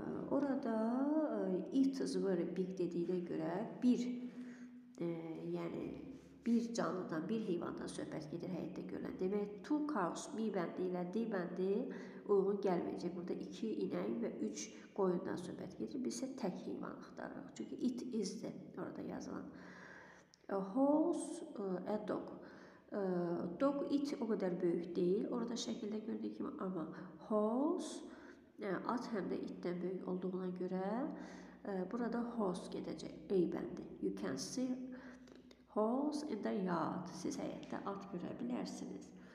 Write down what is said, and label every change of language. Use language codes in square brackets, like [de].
[az] Orada [en] it is very big [az] dediğine göre bir yani bir canlıdan, bir heyvandan söhbət gedir həyətdə görülən. Demək, [en] two cows, [az] mi bəndi ilə di bəndi uyğun gəlməyəcək. Burada iki inək və üç qoyundan söhbət gedir. Biz isə tək heyvan axtarırıq. Çünki [en] it is the [az] orada yazılan. [en] A horse, a dog. [az] Dog, it o qədər böyük deyil. Orada şəkildə gördüyü kimi. Amma horse, at həm də itdən böyük olduğuna görə burada horse gedəcək. Ey bəndi. [en] You can see horse in the yard. [az] Siz həyətdə at görə bilərsiniz.